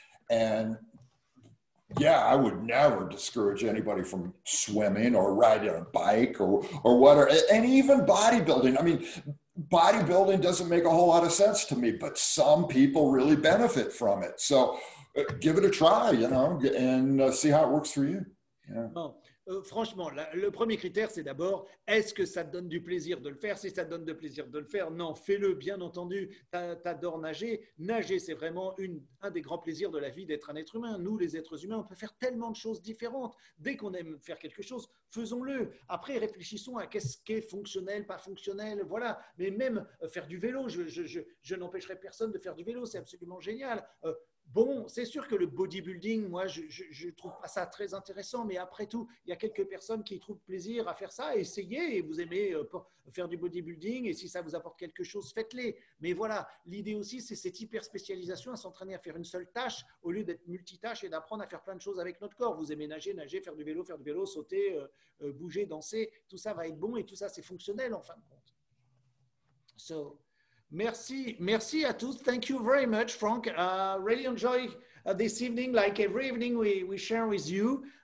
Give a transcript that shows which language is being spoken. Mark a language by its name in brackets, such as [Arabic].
[English] And yeah, I would never discourage anybody from swimming or riding a bike or whatever. And even bodybuilding. I mean, bodybuilding doesn't make a whole lot of sense to me, but some people really benefit from it. So give it a try, you know, and see how it works for you. Yeah. [French] Bon, franchement, le premier critère, c'est d'abord, est-ce que ça te donne du plaisir de le faire? Si ça te donne du plaisir de le faire, non, fais-le, bien entendu. T'adores nager. Nager, c'est vraiment un des grands plaisirs de la vie d'être un être humain. Nous, les êtres humains, on peut faire tellement de choses différentes. Dès qu'on aime faire quelque chose, faisons-le. Après, réfléchissons à qu'est-ce qui est fonctionnel, pas fonctionnel, voilà. Mais même faire du vélo, je n'empêcherai personne de faire du vélo, c'est absolument génial. Bon, c'est sûr que le bodybuilding, moi, je trouve pas ça très intéressant, mais après tout, il y a quelques personnes qui trouvent plaisir à faire ça, essayez, et vous aimez faire du bodybuilding, et si ça vous apporte quelque chose, faites-les. Mais voilà, l'idée aussi, c'est cette hyper-spécialisation à s'entraîner à faire une seule tâche, au lieu d'être multitâche et d'apprendre à faire plein de choses avec notre corps. Vous aimez nager, faire du vélo, sauter, bouger, danser, tout ça va être bon, et tout ça, c'est fonctionnel, en fin de compte. [English] So... [French] Merci à tous. [English] Thank you very much, Frank. I really enjoy this evening, like every evening we share with you.